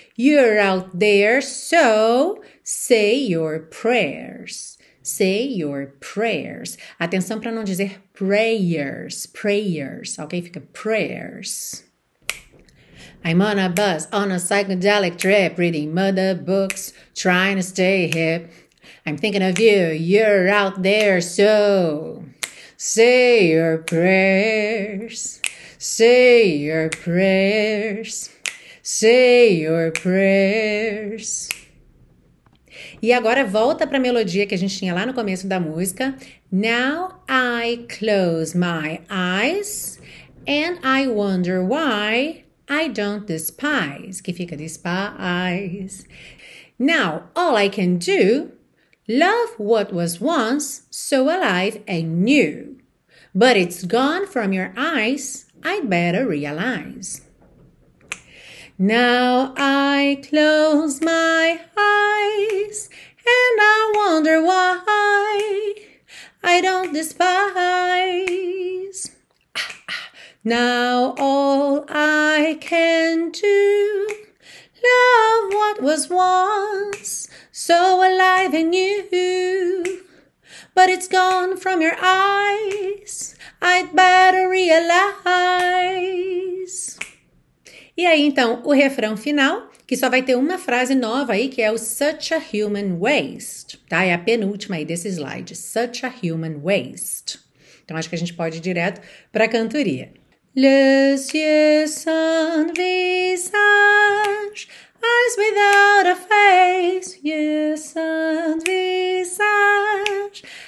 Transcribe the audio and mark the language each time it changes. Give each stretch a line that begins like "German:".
English: You're out there, so say your prayers. Say your prayers.
Portuguese: Atenção para não dizer prayers. Prayers, ok? Fica prayers.
English: I'm on a bus on a psychedelic trip, reading murder books, trying to stay hip. I'm thinking of you, you're out there, so say your prayers, say your prayers, say your prayers.
Portuguese: E agora volta para a melodia que a gente tinha lá no começo da música.
English: Now I close my eyes and I wonder why. I don't despise,
Portuguese: que fica
English: despise. Now all I can do, love what was once so alive and new. But it's gone from your eyes, I'd better realize. Now I close my eyes and I wonder why I don't despise. Now all I can do, love what was once so alive and new, but it's gone from your eyes, I'd better realize.
Portuguese: E aí então o refrão final, que só vai ter uma frase nova aí, que é o
English: such a human waste,
Portuguese: tá? É a penúltima aí desse slide,
English: such a human waste.
Portuguese: Então acho que a gente pode ir direto para a cantoria.
English: Lose yourself inside, eyes without a face.